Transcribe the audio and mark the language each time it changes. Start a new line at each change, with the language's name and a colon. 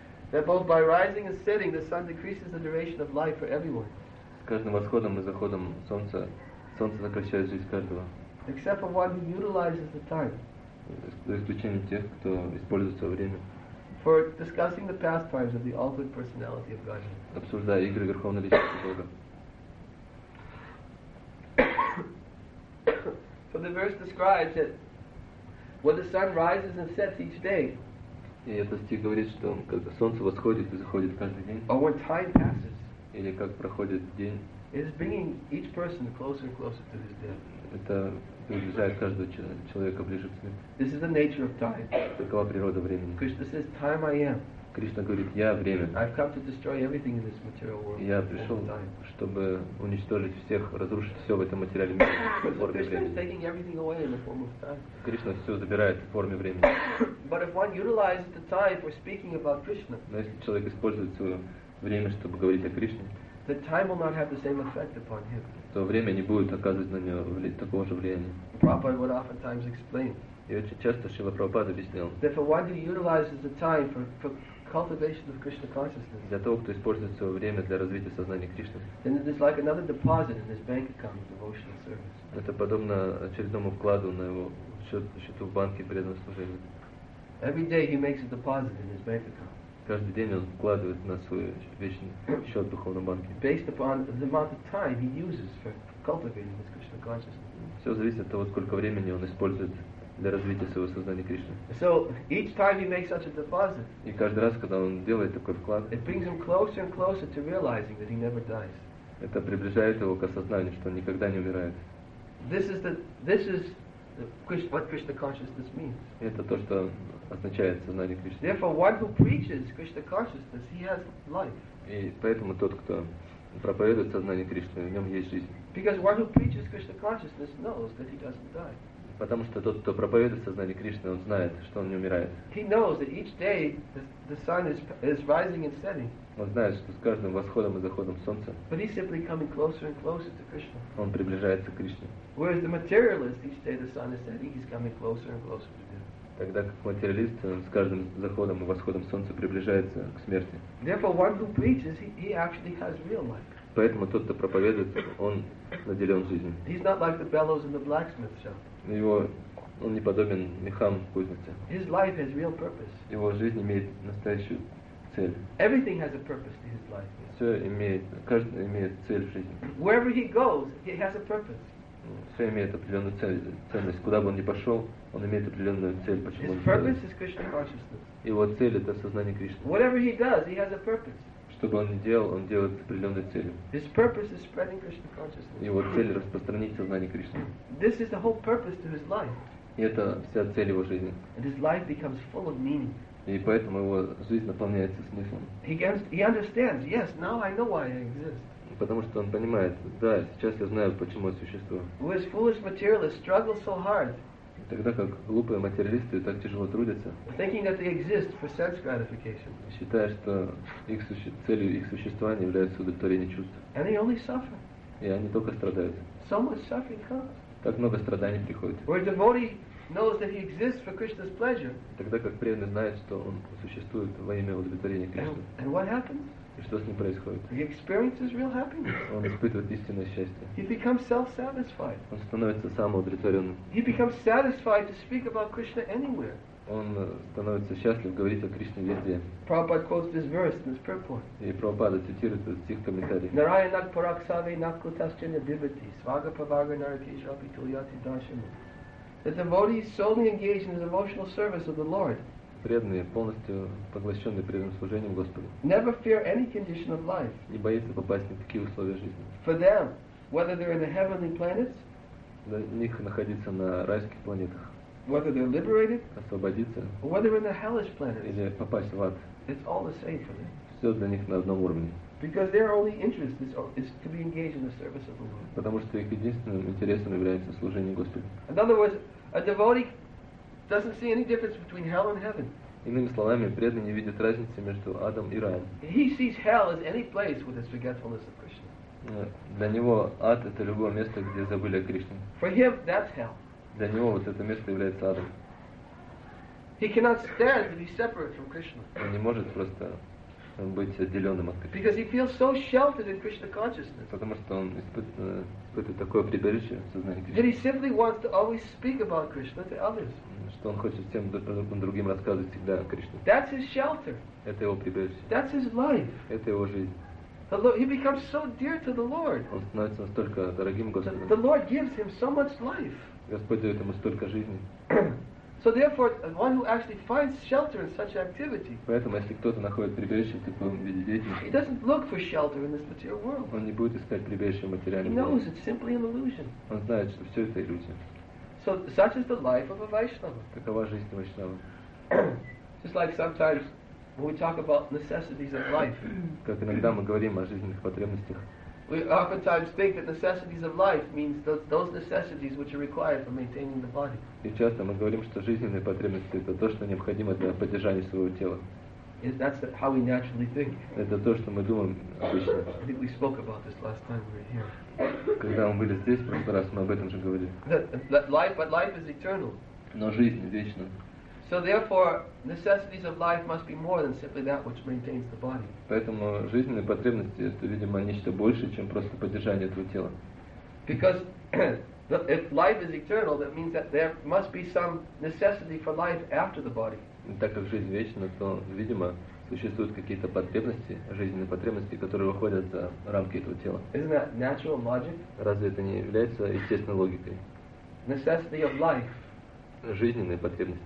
English: That both by rising and setting, the sun decreases the duration of life for everyone.
Russian: С каждым восходом и заходом солнца сокращает жизнь каждого.
English: Except for one who utilizes the time.
Russian: За исключением тех, кто использует свое время.
English: For discussing the pastimes of the ultimate personality of God.
Russian: Обсуждая игры верховной личности Бога.
English: So the verse describes that when the sun rises and sets each day.
Russian: И этот стих говорит, что когда солнце восходит и заходит каждый день.
English: Or when time passes.
Russian: Или как проходит день.
English: It is bringing each person closer and closer to his death.
Russian: Это приближает каждого человека ближе к смерти.
English: This is the nature of time.
Russian: Такова природа времени.
English: Krishna says, "Time I am."
Russian: Кришна говорит, я время.
English: I've come to destroy everything in this material world.
Russian: Я пришел, чтобы уничтожить всех, разрушить все в этом материале мире.
English: Krishna is taking everything away in the form of time.
Russian: Кришна все забирает в форме времени.
English: But if one utilizes the time for speaking about Krishna.
Russian: Но если человек использует свое время, чтобы говорить о Кришне.
English: The time will not have the same effect upon him.
Russian: То время не будет оказывать на него такого же влияния.
English: Prabhupada would oftentimes explain.
Russian: И очень часто Шрила Прабхупада объяснял.
English: That for one who utilizes the time for cultivation of Krishna consciousness.
Russian: Для того, кто использует свое время для развития сознания Кришны.
English: Then it is like another deposit in his bank account of devotional service.
Russian: Это подобно очередному вкладу на его счету в банке преданного служения.
English: Every day he makes a deposit in his bank account.
Russian: Каждый день он вкладывает на свой вечный счет в духовном банке.
English: Based upon the amount of time he uses for cultivating his Krishna consciousness.
Russian: Все зависит от того, сколько времени он использует для развития своего сознания Кришны.
English: So each time he makes such a deposit.
Russian: И каждый раз, когда он делает такой вклад,
English: it brings him closer and closer to realizing that he never dies.
Russian: Это приближает его к осознанию, что он никогда не умирает.
English: This is what Krishna consciousness means.
Russian: Это то, что означает сознание Кришны.
English: Therefore, one who preaches Krishna consciousness, he has life.
Russian: И поэтому тот, кто проповедует сознание Кришны, в нем есть жизнь.
English: Because one who preaches Krishna consciousness knows that he doesn't die.
Russian: Потому что тот, кто проповедует сознание Кришны, он знает, что он не умирает.
English: He knows that each day the sun is rising and setting.
Russian: Он знает, что с каждым восходом и заходом солнца.
English: But he's simply coming closer and closer to Krishna.
Russian: Он приближается к Кришне.
English: Whereas the materialist, each day the sun is setting, he's coming closer and closer to death.
Russian: Тогда как материалист, он с каждым заходом и восходом солнца приближается к смерти.
English: Therefore, one who preaches, he actually has real life.
Russian: Поэтому тот, кто проповедует, он наделен жизнью.
English: He's not like the bellows in the blacksmith shop.
Russian: Его, он не подобен мехам в кузнице.
English: His life has real purpose.
Russian: Его жизнь имеет настоящую цель.
English: Everything has a purpose to his life.
Russian: Все имеет, каждый имеет цель в жизни.
English: Wherever he goes, he has a purpose.
Russian: Все имеет определенную ценность. Куда бы он ни пошел, он имеет определенную цель. Почему?
English: His purpose is Krishna consciousness.
Russian: Его цель это сознание Кришны.
English: Whatever he does, he has a purpose.
Russian: Что бы он ни делал, он делает с определенной целью.
English: His purpose is spreading Krishna consciousness.
Russian: Его цель распространить сознание Кришны.
English: This is the whole purpose to his life.
Russian: И это вся цель его жизни.
English: And his life becomes full of meaning.
Russian: И поэтому его жизнь наполняется смыслом.
English: He understands, yes, now I know why I exist.
Russian: Потому что он понимает, да, сейчас я знаю, почему я существую.
English: Who is foolish materialist struggles so hard.
Russian: Тогда как глупые материалисты так тяжело трудятся,
English: thinking that they exist for sense gratification,
Russian: считая, что их целью их существования является удовлетворение чувств.
English: And they only suffer.
Russian: И они только страдают.
English: So much suffering comes.
Russian: Так много страданий приходит.
English: Where a devotee knows that he exists for Krishna's pleasure,
Russian: тогда как преданный знает, что он существует во имя удовлетворения Кришны.
English: And what happens?
Russian: И что с ним происходит?
English: He experiences real happiness.
Russian: Он испытывает истинное счастье.
English: He becomes self-satisfied.
Russian: Он становится самоудовлетворенным.
English: He becomes satisfied to speak about Krishna anywhere.
Russian: Он становится счастлив говорить о Кришне везде.
English: Prabhupada quotes this verse in his purport.
Russian: И Прабхупада цитирует этот стих в комментарии.
Sanskrit: Narayanak paraksave nakutaschena divati svaga pavaga narakesha apituyati darshanu.
English: The devotee is solely engaged in the devotional service of the Lord.
Russian: Преданные, полностью поглощенные преданным служением Господу.
English: Never fear any condition of life.
Russian: Не боится попасть ни в какие условия жизни.
English: For them, whether they're in the heavenly planets,
Russian: для них находиться на райских планетах.
English: Whether they're liberated,
Russian: освободиться.
English: Whether in the hellish planets,
Russian: или попасть в ад.
English: It's all the same for them.
Russian: все для них на одном уровне.
English: Because their only interest is to be engaged in the service of the Lord.
Russian: Потому что их единственным интересом является служение Господу.
English: In other words, a devotee doesn't see any difference between hell and heaven.
Russian: Иными словами, преданный не видит разницы между адом и раем.
English: He sees hell as any place with its forgetfulness of Krishna.
Russian: Для него ад — это любое место, где забыли о Кришне.
English: For him, that's hell.
Russian: Для него вот это место является адом.
English: He cannot stand to be separate from Krishna.
Russian: Он не может просто быть отделенным от Кришны.
English: Because he feels so sheltered in Krishna consciousness.
Russian: Потому что он испытывает такое прибежище в сознании Кришны.
English: That he simply wants to always speak about Krishna to others.
Russian: Что он хочет всем другим рассказывать всегда о Кришне.
English: That's his shelter.
Russian: Это его прибежище.
English: That's his life.
Russian: Это его жизнь.
English: He becomes so dear to the Lord.
Russian: Он становится настолько дорогим Господу.
English: The Lord gives him so much life.
Russian: Господь дает ему столько жизни.
English: So therefore, one who actually finds shelter in such activity.
Russian: Поэтому, если кто-то находит прибежище в таком виде деятельности,
English: he doesn't look for shelter in this material world.
Russian: Он не будет искать прибежище в материальном мире.
English: He knows it's simply an illusion.
Russian: Он знает, что все это иллюзия.
English: So such is the life of a Vaishnava.
Russian: Такова жизнь Вайшнава.
English: Just like sometimes we talk about necessities of life.
Russian: Как иногда мы говорим о жизненных потребностях.
English: We oftentimes think that necessities of life means those necessities which are required for maintaining the body.
Russian: И часто мы говорим, что жизненные потребности — это то, что необходимо для поддержания своего тела.
English: Is that how we naturally think?
Russian: Это то, что мы думаем обычно.
English: I think we spoke about this last time we were here.
Russian: Когда мы были здесь в прошлый раз, мы об этом же говорили.
English: But life is eternal.
Russian: Но жизнь вечна.
English: So therefore, necessities of life must be more than simply that which maintains the body.
Russian: Поэтому жизненные потребности — это, видимо, нечто большее, чем просто поддержание этого тела.
English: Because if life is eternal, that means that there must be some necessity for life after the body.
Russian: Так как жизнь вечна, то, видимо, существуют какие-то потребности, жизненные потребности, которые выходят за рамки этого тела.
English: Isn't that natural logic?
Russian: Разве это не является естественной логикой?
English: Necessity of life.
Russian: Жизненные потребности.